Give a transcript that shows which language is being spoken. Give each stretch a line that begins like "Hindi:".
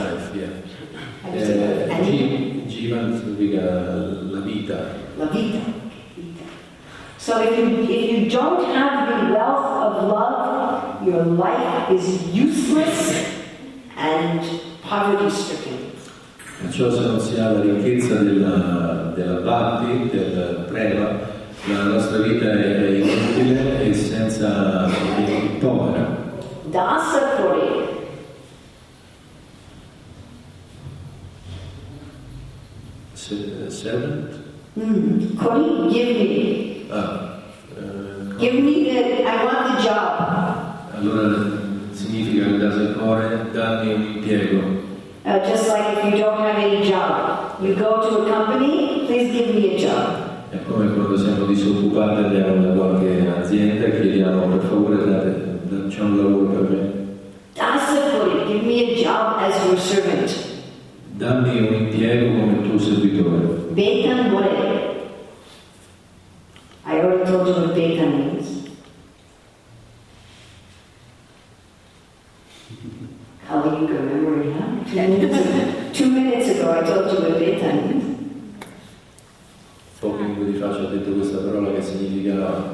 English: Life, yeah.
Italian: Jiva significa la vita. La vita.
English: So if you don't have the wealth of love, your life is useless and poverty stricken.
Italian: Perciò se non si ha la ricchezza della bhakti, del prema, la nostra vita è inutile e senza povera.
Bangla: Dasa kori.
English: Servant? Kori, give me. Give me the, I want the job.
Italian: Allora, significa che dasa kori, dammi un impiego.
English: Just like if you don't have any job. You go to a company, please give me a job.
Italian: È come quando siamo disoccupati, andiamo da qualche azienda, chiediamo per favore, dacci un lavoro per me.
English: Dasa kori, give me a job as your servant.
Italian: Dammi un impiego come tuo servitore.
Bangla: Betan more.
English: I already told you what betan means. Kali Yuga memory, huh? 2 minutes ago I told you what betan means.
Italian: Pochi minuti fa ci ho detto questa parola che significa